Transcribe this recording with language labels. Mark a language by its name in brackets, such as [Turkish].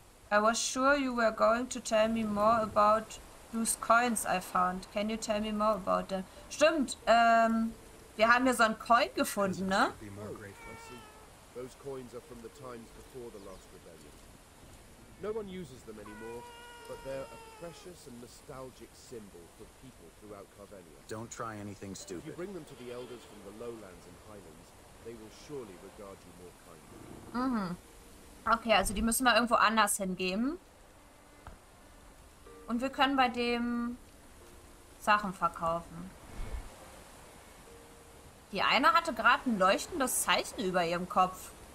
[English] I was sure you were going to tell me more about those coins I found. Can you tell me more about them? [German] Stimmt, wir haben hier so einen Coin gefunden, ne? [English] Those coins are from the times before the last rebellion. No one uses them anymore. But they're a precious and nostalgic symbol for people throughout Carvenia. Don't try anything stupid. If you bring them to the elders from the lowlands and highlands, they will surely regard you more kindly. Mhm. [German] Okay, also die müssen wir irgendwo anders hingeben. Und wir können bei dem Sachen verkaufen. Die eine hatte gerade ein leuchtendes Zeichen über ihrem Kopf.